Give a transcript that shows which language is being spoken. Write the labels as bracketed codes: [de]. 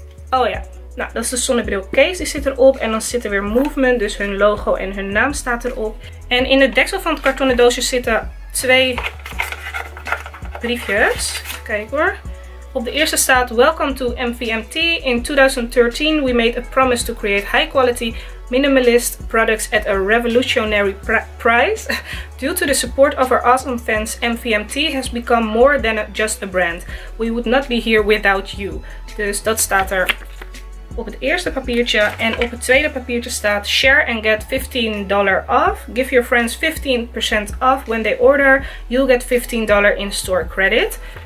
[nl] Oh ja. Nou, dat is de zonnebril case, die zit erop. En dan zit er weer Movement, dus hun logo en hun naam staat erop. En in het deksel van het kartonnen doosje zitten 2 briefjes. Kijk hoor. Op de eerste staat, [en] welcome to MVMT. In 2013 we made a promise to create high quality minimalist products at a revolutionary price. Due to the support of our awesome fans, MVMT has become more than just a brand. We would not be here without you. [nl] Dus dat staat er op het eerste papiertje. En op het tweede papiertje staat, [en] share and get $15 off. Give your friends 15% off when they order. You'll get $15 in store credit.